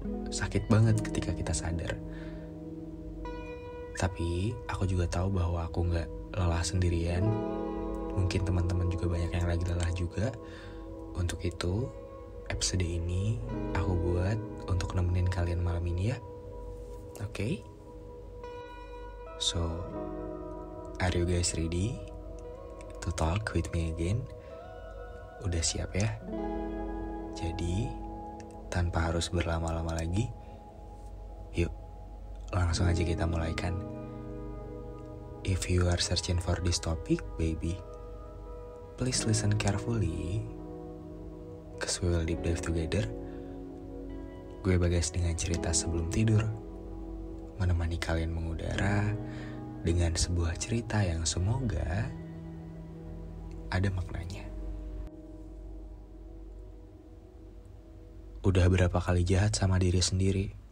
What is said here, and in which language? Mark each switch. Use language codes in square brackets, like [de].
[id] Sakit banget ketika kita sadar. Tapi aku juga tahu bahwa aku gak lelah sendirian. Mungkin teman-teman juga banyak yang lagi lelah juga. Untuk itu, episode ini aku buat untuk nemenin kalian malam ini ya. Oke? [en] So, are you guys ready to talk with me again? [id] Udah siap ya? Jadi, tanpa harus berlama-lama lagi, yuk, langsung aja kita mulaikan. [en] If you are searching for this topic, baby, please listen carefully, cause we will deep dive together. [id] Gue Bagas dengan cerita sebelum tidur, menemani kalian mengudara dengan sebuah cerita yang semoga ada maknanya. Udah berapa kali jahat sama diri sendiri?